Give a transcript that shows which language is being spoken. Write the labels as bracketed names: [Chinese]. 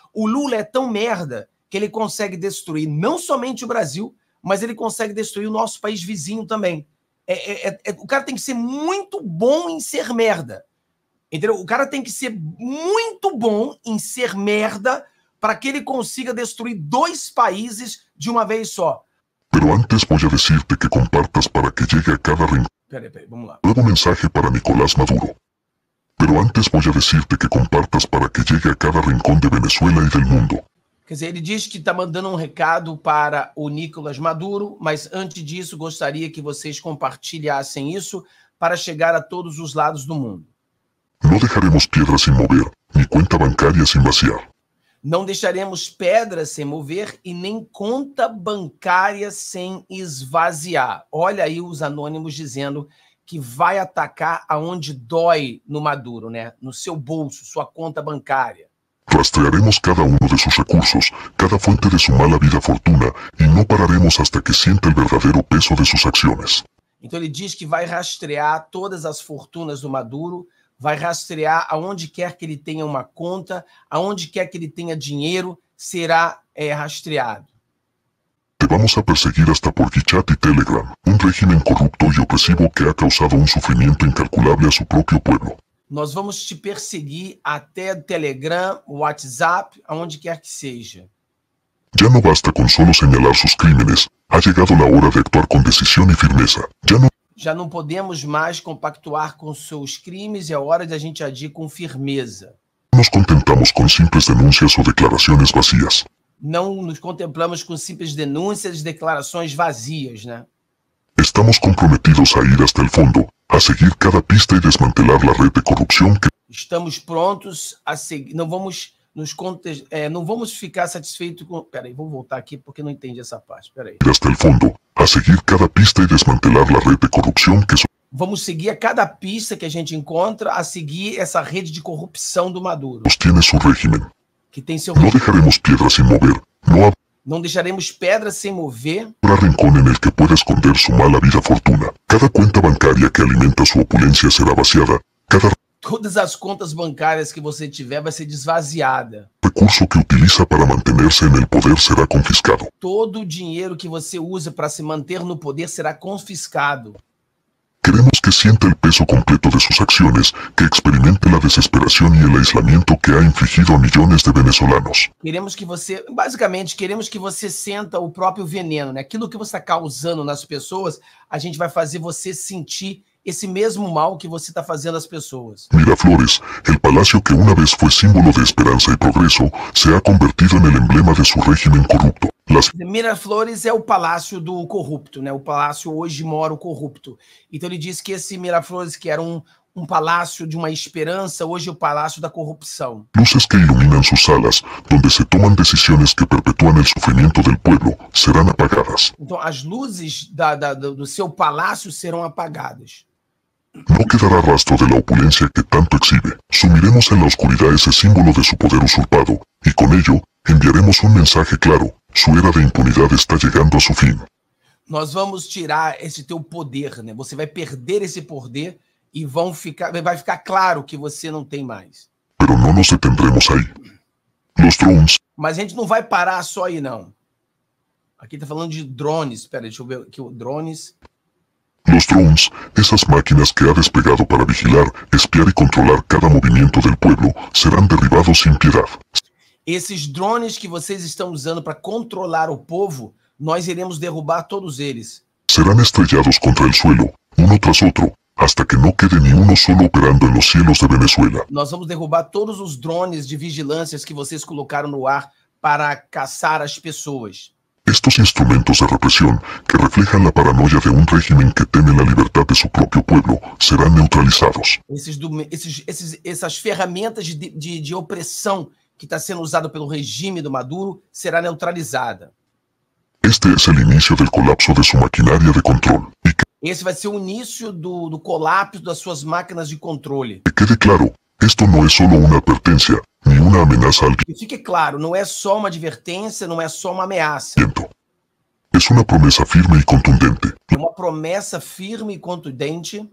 [Portuguese] O Lula é tão merda que ele consegue destruir não somente o Brasil, mas ele consegue destruir o nosso país vizinho também. O cara tem que ser muito bom em ser merda. Entendeu? O cara tem que ser muito bom em ser merda para que ele consiga destruir dois países de uma vez só. [Spanish] Pero antes voy a decirte que compartas para que llegue a cada rincón. [Portuguese] Peraí, vamos lá. [Spanish] Nuevo mensaje para Nicolás Maduro. Pero antes voy a decirte que compartas para que llegue a cada rincón de Venezuela y del mundo. [Portuguese] Quer dizer, ele diz que está mandando um recado para o Nicolás Maduro, mas antes disso, gostaria que vocês compartilhassem isso para chegar a todos os lados do mundo. [Spanish] No dejaremos piedra sin mover, ni cuenta bancaria sin vaciar. [Portuguese] Não deixaremos pedra sem mover e nem conta bancária sem esvaziar. Olha aí os anônimos dizendo que vai atacar aonde dói no Maduro, né? No seu bolso, sua conta bancária. [Spanish] Rastrearemos cada uno de sus recursos, cada fuente de su mala vida fortuna, y no pararemos hasta que sienta el verdadero peso de sus acciones. [Portuguese] Então ele diz que vai rastrear todas as fortunas do Maduro. Vai rastrear aonde quer que ele tenha uma conta, aonde quer que ele tenha dinheiro, será, rastreado. [Spanish] Te vamos a perseguir hasta por WeChat y Telegram, un régimen corrupto y opresivo que ha causado un sufrimiento incalculable a su propio pueblo. [Portuguese] Nós vamos te perseguir até Telegram, WhatsApp, aonde quer que seja. [Spanish] Ya no basta con solo señalar sus crímenes. Ha llegado la hora de actuar con decisión y firmeza. Ya no. [Portuguese] Já não podemos mais compactuar com seus crimes, é hora de a gente agir com firmeza. [Spanish] Nos contentamos con simples denuncias o declaraciones vacías. [Portuguese] Não nos contemplamos com simples denúncias e declarações vazias, né? [Spanish] Estamos comprometidos a ir hasta el fondo, a seguir cada pista y desmantelar la red de corrupción que. [Portuguese] Estamos prontos a seguir. Não vamos nos conter... não vamos ficar satisfeitos com. Peraí, vou voltar aqui porque não entendi essa parte. Peraí. [Spanish] Hasta el fondo, a seguir cada pista y desmantelar la red de corrupción que. [Portuguese] Vamos seguir a cada pista que a gente encontra, a seguir essa rede de corrupção do Maduro. [Spanish] Tiene su régimen. [Portuguese] Que tem seu [Spanish] No [Portuguese] regime. [Spanish] dejaremos piedra sin mover. No ha. [Portuguese] Não deixaremos pedra sem mover. [Spanish] Para rincón en el que pueda esconder su mala vida fortuna. Cada cuenta bancaria que alimenta su opulencia será vaciada. Cada. [Portuguese] Todas as contas bancárias que você tiver vai ser desvaziada. [Spanish] Recurso que utiliza para mantenerse en el poder será confiscado. [Portuguese] Todo o dinheiro que você usa para se manter no poder será confiscado. [Spanish] Queremos que sienta el peso completo de sus acciones, que experimente la desesperación y el aislamiento que ha infligido a millones de venezolanos. [Portuguese] Queremos que você, basicamente, queremos que você senta o próprio veneno, né? Aquilo que você está causando nas pessoas, a gente vai fazer você sentir esse mesmo mal que você está fazendo às pessoas. [Spanish] Miraflores, el palacio que una vez fue símbolo de esperanza y progreso, se ha convertido en el emblema de su régimen corrupto. Las. [Portuguese] Miraflores é o palácio do corrupto, né? O palácio hoje mora o corrupto. Então ele diz que esse Miraflores, que era um palácio de uma esperança, hoje é o palácio da corrupção. [Spanish] Luces que iluminan sus salas, donde se toman decisiones que perpetúan el sufrimiento del pueblo, serán apagadas. [Portuguese] Então as luzes do seu palácio serão apagadas. [Spanish] No quedará rastro de la opulencia que tanto exhibe. Sumiremos en la oscuridad ese símbolo de su poder usurpado, y con ello, enviaremos un mensaje claro: su era de impunidad está llegando a su fin. [Portuguese] Nós vamos tirar esse teu poder, né? Você vai perder esse poder e vão ficar, vai ficar claro que você não tem mais. [Spanish] Pero no nos detendremos ahí. Los drones. [Portuguese] Mas a gente não vai parar só aí, não. Aqui tá falando de drones. Espera, deixa eu ver aqui, drones. [Spanish] Los drones, esas máquinas que ha desplegado para vigilar, espiar y controlar cada movimiento del pueblo, serán derribados sin piedad. [Portuguese] Esses drones que vocês estão usando para controlar o povo, nós iremos derrubar todos eles. [Spanish] Serán estrellados contra el suelo, uno tras otro, hasta que no quede ni uno solo operando en los cielos de Venezuela. [Portuguese] Nós vamos derrubar todos os drones de vigilância que vocês colocaram no ar para caçar as pessoas. [Spanish] Estos instrumentos de represión, que reflejan la paranoia de un régimen que teme la libertad de su propio pueblo, serán neutralizados. [Portuguese] Esas ferramentas de opresión que está siendo usada pelo régimen de Maduro será neutralizada. [Spanish] Este es el inicio del colapso de su maquinaria de control. [Portuguese] Esse vai ser o início do colapso das suas máquinas de controle. E quede claro, isto não é só uma advertência, nem uma ameaça a alguém. E fique claro, não é só uma advertência, não é só uma ameaça. Então, é uma promessa firme e contundente. É uma promessa firme e contundente.